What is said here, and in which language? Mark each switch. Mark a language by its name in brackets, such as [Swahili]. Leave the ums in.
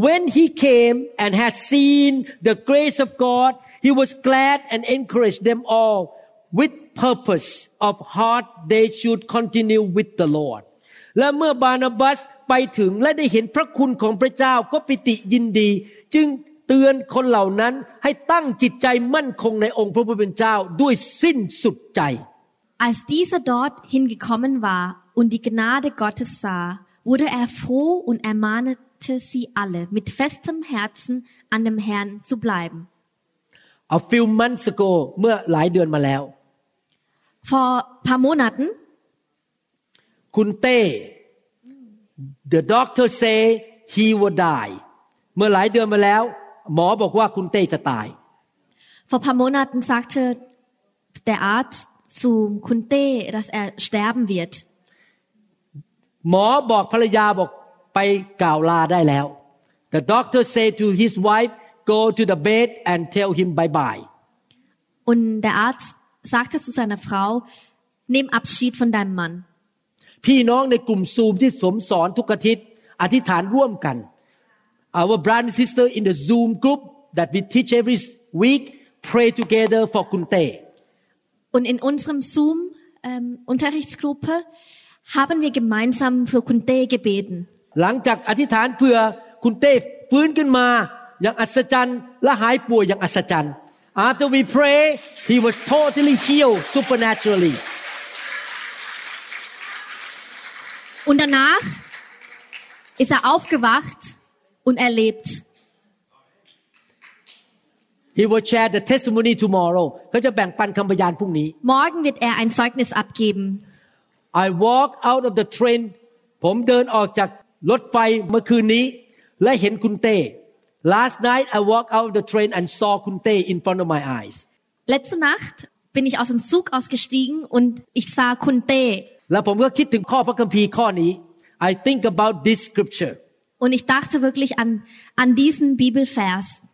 [English] When he came and had seen the grace of God he was glad and encouraged them all with purpose of heart they should continue with the Lord [Thai] และเมื่อบานาบัสไปถึงและได้เห็นพระคุณของพระเจ้าก็ปิติยินดี จึงเตือนคนเหล่านั้นให้ตั้งจิตใจมั่นคงในองค์พระผู้เป็นเจ้าด้วยสิ้นสุดใจ [German] Als dieser dort hingekommen war und die Gnade Gottes sah wurde er froh und ermahnte sie alle mit festem Herzen an dem Herrn zu bleiben A few months ago [Thai] เมื่อหลายเดือนมาแล้ว [German] vor ein paar Monaten. [English] Kunte, the doctor say he will die. [German] Mehr als ein Jahr her, [Thai] หมอบอกว่าคุณเต้จะตาย [German] vor ein paar Monaten sagte der Arzt zu Kunte, dass er sterben wird. [Thai] หมอบอกภรรยาบอกไปกล่าวลาได้แล้ว [English] The doctor said to his wife, go to the bed and tell him bye bye. [German] Und der Arzt sagte zu seiner Frau, nimm Abschied von deinem Mann. [Thai] พี่น้องในกลุ่มซูมที่สมสอนทุกอาทิตย์อธิษฐานร่วมกัน [English] Our brand sister in the Zoom group that we teach every week pray together for Kunte. [German] Und in unserem Zoom ähm, Unterrichtsgruppe haben wir gemeinsam für Kunte gebeten. [Thai] หลังจากอธิษฐานเพื่อคุณเต้ฟื้นขึ้นมาอย่างอัศจรรย์และหายป่วยอย่างอัศจรรย์ [English] After we pray, he was totally healed supernaturally. [German] Und danach ist er aufgewacht und erlebt. [English] He will share the testimony tomorrow. [German] Morgen wird er ein Zeugnis abgeben. [English] I walk out of the train. [Thai] ผมเดินออกจากรถไฟเมื่อคืนนี้และเห็นคุณเต้ [English] Last night I walked out of the train and saw Kun in front of my eyes. [German] Letzte Nacht bin ich aus dem Zug ausgestiegen und ich sah Kun Tae. [English] I think about this scripture. [German] Und ich dachte wirklich an, an diesen Bibelvers.